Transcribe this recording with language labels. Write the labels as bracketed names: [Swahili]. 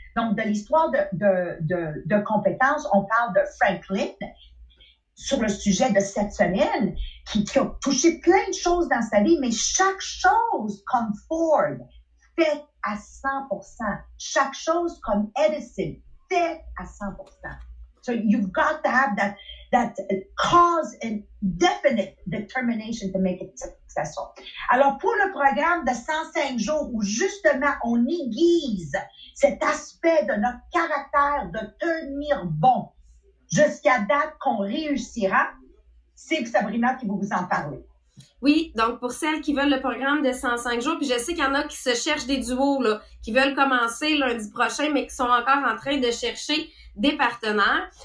[French] Donc, de l'histoire de compétences, on parle de Franklin sur le sujet de cette semaine qui a touché plein de choses dans sa vie, mais chaque chose comme Ford, fait à 100%. Chaque chose comme Edison, fait à 100%. [English] So you've got to have that cause and definite determination to make it successful. [French] Alors, pour le programme de 105 jours où justement on aiguise cet aspect de notre caractère de tenir bon jusqu'à date qu'on réussira, c'est Sabrina qui va vous en parler. Oui, donc pour celles qui veulent le programme de 105 jours, puis je sais qu'il y en a qui se cherchent des duos, là, qui veulent commencer lundi prochain, mais qui sont encore en train de chercher des partenaires.